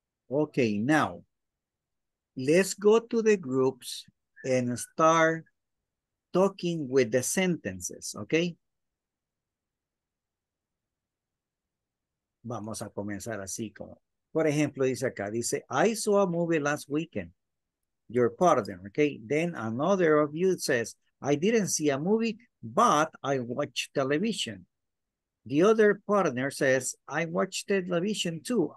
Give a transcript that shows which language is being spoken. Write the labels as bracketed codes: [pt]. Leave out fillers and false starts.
[en] Okay, now let's go to the groups and start talking with the sentences, okay? [es] Vamos a comenzar así como, por ejemplo, dice acá, dice, [en] I saw a movie last weekend. Your pardon, okay? Then another of you says, I didn't see a movie, but I watched television. The other partner says, I watched television too.